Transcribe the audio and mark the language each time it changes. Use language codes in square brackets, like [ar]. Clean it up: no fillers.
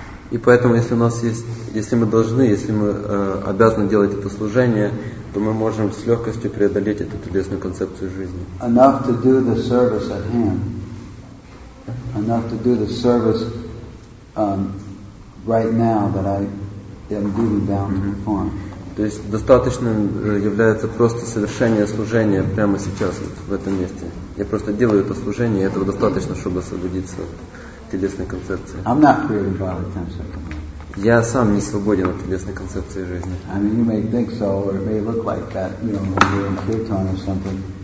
[ru] И поэтому, если у нас есть, если мы должны, если мы обязаны делать это служение, то мы можем с легкостью преодолеть эту телесную концепцию жизни. [en] Enough to do the service at hand. Enough to do the service right now that I am duty bound to perform. [ru] То есть достаточным является просто совершение служения прямо сейчас, вот в этом месте. Я просто делаю это служение, и этого достаточно, чтобы освободиться от телесной концепции. [en] I'm not free of bodily concept. [ru] Я сам не свободен от телесной концепции жизни. [en] I mean, you may think so, or it may look like that, you know, when you're in kirtan or something,